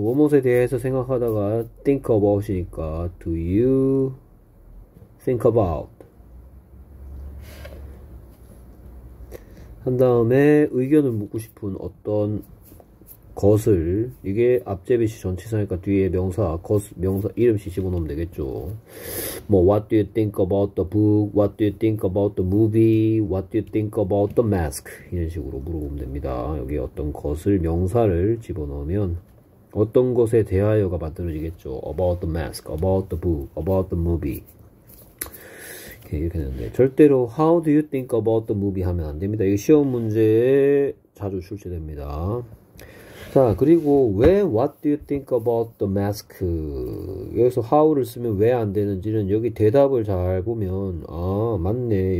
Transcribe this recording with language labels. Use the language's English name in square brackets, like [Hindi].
[Korean] 무엇에 대해서 생각하다가 think about이니까 [English] do you think about? [Korean] 한 다음에 의견을 묻고 싶은 어떤 것을, 이게 앞제비시 전치사니까 뒤에 명사, 것, 명사 이름씩 집어넣으면 되겠죠. [English] 뭐 what do you think about the book? what do you think about the movie? what do you think about the mask? [Korean] 이런 식으로 물어보면 됩니다. 여기 어떤 것을, 명사를 집어넣으면 어떤 것에 대하여가 만들어지겠죠. [English] about the mask, about the book, about the movie. [Korean] 이렇게 되는데, 절대로 [English] how do you think about the movie [Korean] 하면 안 됩니다. 이거 시험 문제에 자주 출제됩니다. 자, 그리고 왜 [English] what do you think about the mask? [Korean] 여기서 how를 쓰면 왜안 되는지는 여기 대답을 잘 보면, 아, 맞네.